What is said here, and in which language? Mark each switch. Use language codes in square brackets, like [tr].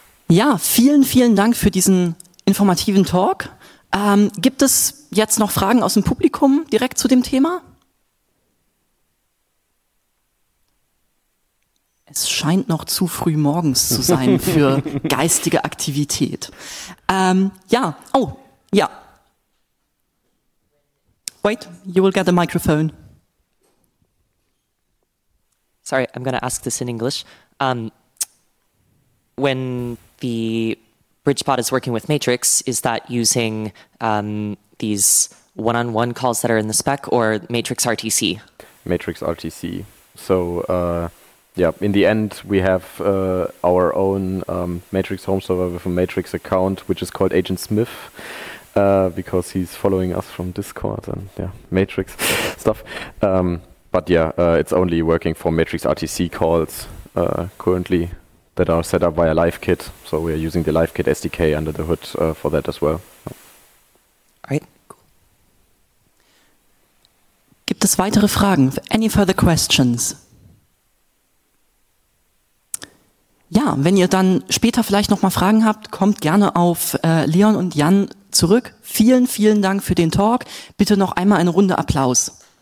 [de] Ja, vielen, vielen Dank für diesen informativen Talk. Gibt es jetzt noch Fragen aus dem Publikum direkt zu dem Thema? Es scheint noch zu früh morgens zu sein für geistige Aktivität. [en] Wait, you will get the microphone. Sorry, I'm going to ask this in English. When the BridgeBot is working with Matrix, is that using these one-on-one calls that are in the spec or Matrix RTC? Matrix RTC. So, yeah, in the end, we have our own Matrix home server with a Matrix account, which is called Agent Smith, because he's following us from Discord and, yeah, Matrix stuff. It's only working for Matrix RTC calls currently that are set up via LiveKit. So we are using the LiveKit SDK under the hood for that as well. All right. Cool. [de] Gibt es weitere Fragen? [en] Any further questions? [de] Ja, wenn ihr dann später vielleicht nochmal Fragen habt, kommt gerne auf Leon und Jan zurück. Vielen, vielen Dank für den Talk. Bitte noch einmal eine Runde Applaus.